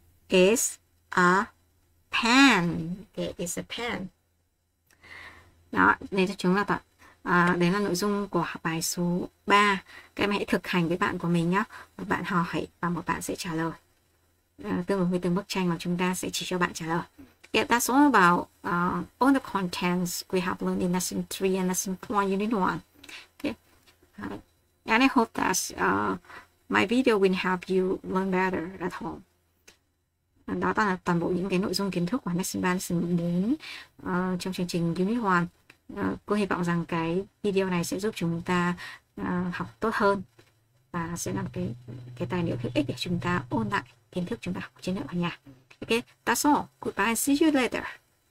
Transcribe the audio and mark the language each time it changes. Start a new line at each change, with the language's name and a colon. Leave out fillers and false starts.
English: It's a pen. It is a pen.
Vietnamese: Đó, đây là chúng ta tập. Đấy là nội dung của bài số 3. Các em hãy thực hành với bạn của mình nhé. Một bạn hỏi và một bạn sẽ trả lời. Tương ứng với từng bức tranh mà chúng ta sẽ chỉ cho bạn trả lời.
English: Yeah, that's all about all the contents we have learned in lesson 3 and lesson 4, unit 1. Okay. And I hope that My video will help you learn better at home.
Vietnamese: Đó là toàn bộ những cái nội dung kiến thức của Lesson 3, Lesson 4 trong chương trình Unit 1. Cô hy vọng rằng cái video này sẽ giúp chúng ta học tốt hơn và sẽ làm cái tài liệu hữu ích để chúng ta ôn lại kiến thức chúng ta học trên lớp ở nhà. Ok, that's all. Goodbye, see you later.